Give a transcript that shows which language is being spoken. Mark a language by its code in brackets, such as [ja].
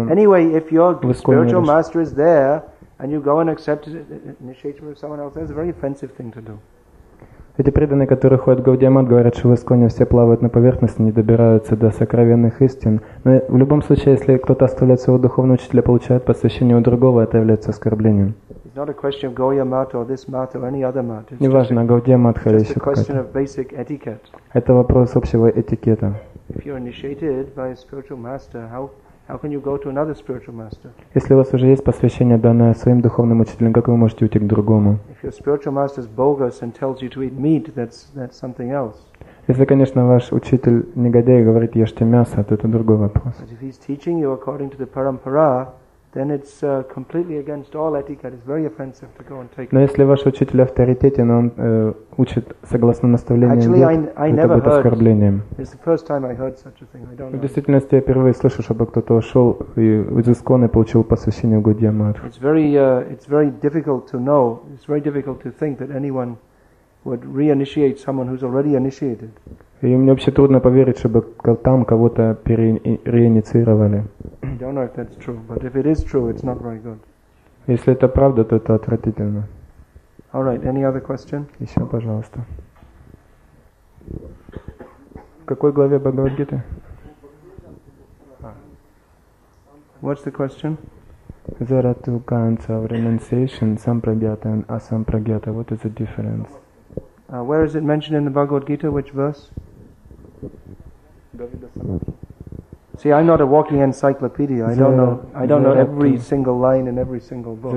[en] Anyway, if your spiritual master is there and you go and accept initiation with someone else, that's a very offensive thing to do. [ru] Эти преданные, которые ходят в Гаудиамат, говорят, что в Исконе все плавают на поверхности, не добираются до сокровенных истин. Но в любом случае, если кто-то оставляет своего духовного учителя, получает посвящение у другого, это является оскорблением. [en] It's not a question of Gaudiamat or this mat or any other mat. [ru] Не важно, Гаудиамат или еще какой-то. [en] It's a question of basic etiquette. [ru] Это вопрос общего этикета. [en] If you're initiated by a spiritual master, how can you go to another spiritual master? [ru] Если у вас уже есть посвящение данное своим духовным учителем, как вы можете уйти к другому? [en] If your spiritual master is bogus and tells you to eat meat, that's something else. [ru] Если, конечно, ваш учитель негодяй и говорит, ешьте мясо, то это другой вопрос. [en] But if he's teaching you according to the parampara, then it's completely against all etiquette. It's very offensive to go and take. [ru] Но если ваш учитель авторитетен, он учит согласно наставлениям, это будет оскорблением. [en] It's the first time I heard such a thing. I don't know. [ru] В действительности я впервые слышу, чтобы кто-то ушел из Искона и получил посвящение в Гаудиамат. [en] It's very difficult to know. It's very difficult to think that anyone would reinitiate someone who's already initiated. [ru] И мне вообще трудно поверить, чтобы там кого-то переинициировали. [en] I don't know if that's true, but if it is true, it's not very good. [ru] Если это правда, то это отвратительно. [en] All right, any other question? [ru] Еще, пожалуйста. В какой главе Бхагавад-гиты? [en] What's the question? There are two kinds of renunciation, sampragyata and asampragyata. What is the difference? Where is it mentioned in the Bhagavad-gita? Which verse? See, I'm not a walking encyclopedia. I don't know every single line in every single book.